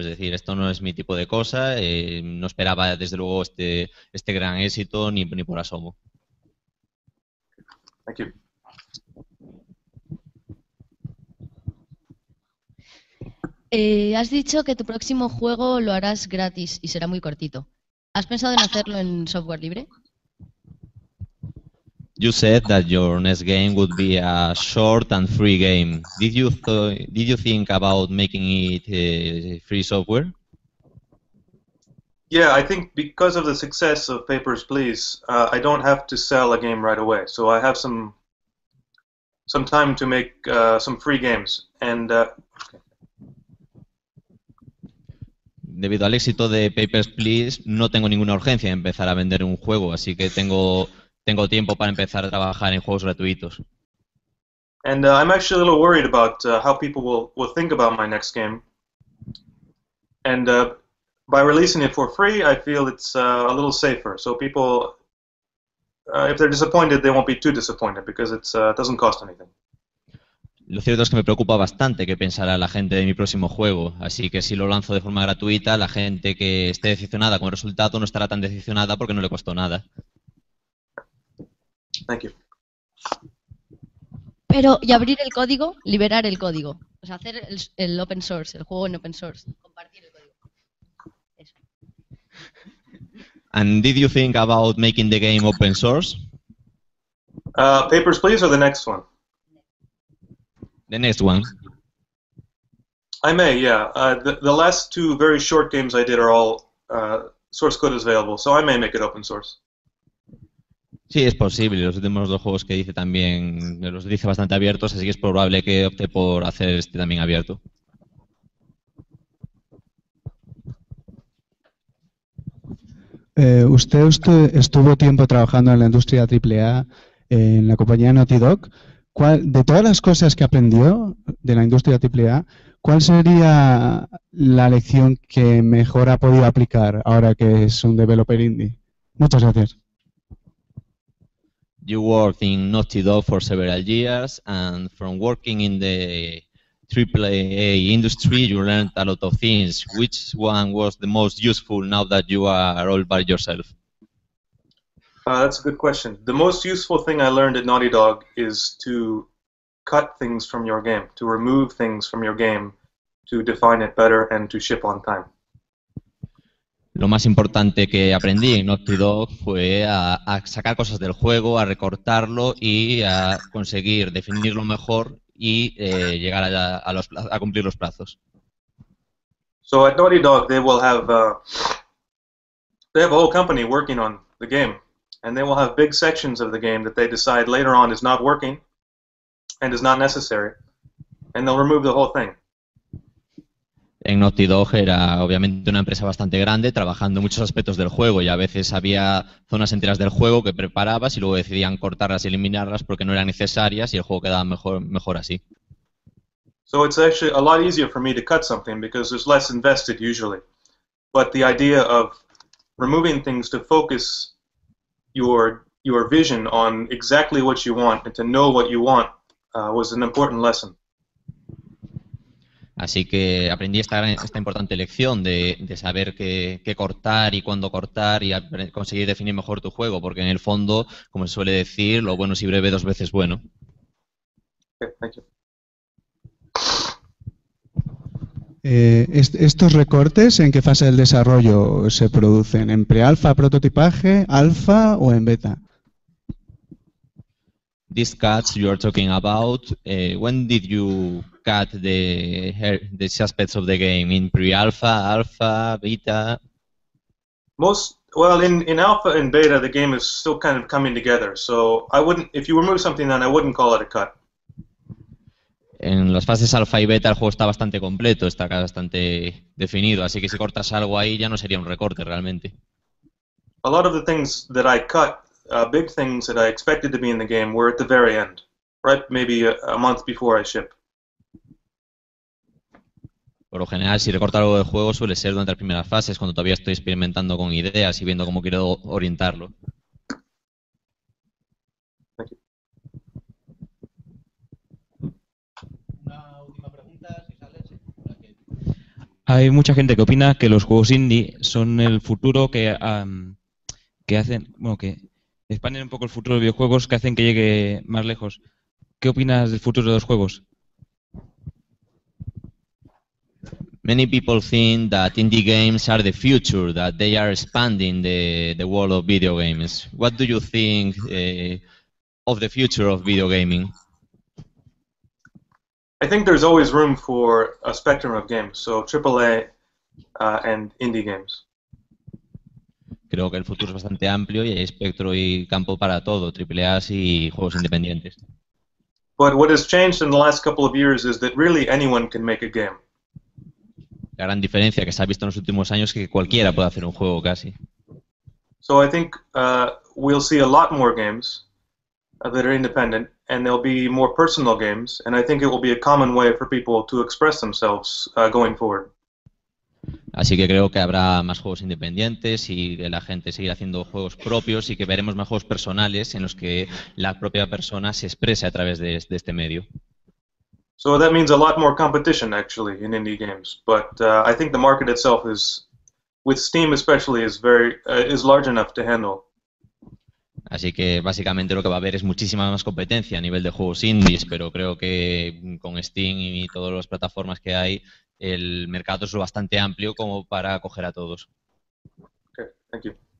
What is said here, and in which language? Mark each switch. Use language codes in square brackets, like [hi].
[es] Es decir, esto no es mi tipo de cosa. No esperaba, desde luego, este gran éxito ni por asomo. [en] Thank you. [es] Has dicho que tu próximo juego lo harás gratis y será muy cortito. ¿Has pensado en hacerlo en software libre? [en] You said that your next game would be a short and free game. Did you think about making it free software? Yeah, I think because of the success of Papers, Please, I don't have to sell a game right away. So I have some time to make some free games. And [es] debido al éxito de Papers, Please, no tengo ninguna urgencia de empezar a vender un juego, así que tengo tiempo para empezar a trabajar en juegos gratuitos. [en] And I'm actually a little worried about how people will think about my next game. And by releasing it for free, I feel it's a little safer. So people, if they're disappointed, they won't be too disappointed because it doesn't cost anything. [es] Lo cierto es que me preocupa bastante qué pensará la gente de mi próximo juego. Así que si lo lanzo de forma gratuita, la gente que esté decepcionada con el resultado no estará tan decepcionada porque no le costó nada. [en] Thank you. [es] Pero, ¿y abrir el código? Liberar el código. O sea, hacer el open source, el juego en open source. Compartir el código. Eso. [en] And did you think about making the game open source? Papers, please, or the next one? The next one. I may, yeah. The last two very short games I did are all source code is available, so I may make it open source. [es] Sí, es posible. Los últimos dos juegos que hice también los hice bastante abiertos, así que es probable que opte por hacer este también abierto. Usted estuvo tiempo trabajando en la industria AAA en la compañía Naughty Dog. ¿Cuál, de todas las cosas que aprendió de la industria AAA, cuál sería la lección que mejor ha podido aplicar ahora que es un developer indie? Muchas gracias. [en] You worked in Naughty Dog for several years, and from working in the AAA industry, you learned a lot of things. Which one was the most useful now that you are all by yourself? That's a good question. The most useful thing I learned at Naughty Dog is to cut things from your game, to remove things from your game, to define it better and to ship on time. [es] Lo más importante que aprendí en Naughty Dog fue a sacar cosas del juego, a recortarlo y a conseguir definirlo mejor y llegar a cumplir los plazos. [en] So at Naughty Dog they will have a whole company working on the game, and they will have big sections of the game that they decide later on is not working and is not necessary, and they'll remove the whole thing. [es] En Naughty Dog era obviamente una empresa bastante grande, trabajando muchos aspectos del juego, y a veces había zonas enteras del juego que preparabas y luego decidían cortarlas y eliminarlas porque no eran necesarias y el juego quedaba mejor así. [en] So it's actually a lot easier for me to cut something because there's less invested usually. But the idea of removing things to focus your vision on exactly what you want and to know what you want was an important lesson. [es] Así que aprendí esta importante lección de saber qué cortar y cuándo cortar y conseguir definir mejor tu juego, porque en el fondo, como se suele decir, lo bueno si breve dos veces bueno. [en] Okay, [es] ¿Estos recortes en qué fase del desarrollo se producen? ¿En prealfa, prototipaje, alfa o en beta? [en] These cuts you are talking about, when did you cut the aspects of the game? In pre-alpha, alpha, beta? In alpha and beta the game is still kind of coming together. So if you remove something then I wouldn't call it a cut. [es] En las fases alfa y beta el juego está bastante completo, está bastante definido, así que si cortas algo ahí ya no sería un recorte realmente. [en] A lot of the things that I cut, big things that I expected to be in the game were at the very end, right? Maybe a month before I ship. [es] Por lo general, si recorto algo del juego suele ser durante las primeras fases, cuando todavía estoy experimentando con ideas y viendo cómo quiero orientarlo. Hay mucha gente que opina que los juegos indie son el futuro que expanden un poco el futuro de videojuegos, que hacen que llegue más lejos. ¿Qué opinas del futuro de los juegos? [en] Many people think that indie games are the future, that they are expanding the world of video games. What do you think of the future of video gaming? I think there's always room for a spectrum of games, so AAA and indie games. [es] Creo que el futuro es bastante amplio y hay espectro y campo para todo, AAA y juegos independientes. [en] But what has changed in the last couple of years is that really anyone can make a game. [es] La gran diferencia que se ha visto en los últimos años es que cualquiera puede hacer un juego casi. [en] So I think we'll see a lot more games that are independent, and there'll be more personal games, and I think it will be a common way for people to express themselves going forward. [es] Así que creo que habrá más juegos independientes y que la gente seguirá haciendo juegos propios y que veremos más juegos personales en los que la propia persona se exprese a través de este medio. [en] So that means a lot more competition actually in indie games, but I think the market itself is, with Steam especially, is large enough to handle. [es] Así que básicamente lo que va a haber es muchísima más competencia a nivel de juegos indies, pero creo que con Steam y todas las plataformas que hay, el mercado es lo bastante amplio como para acoger a todos. [en] Ok, thank you.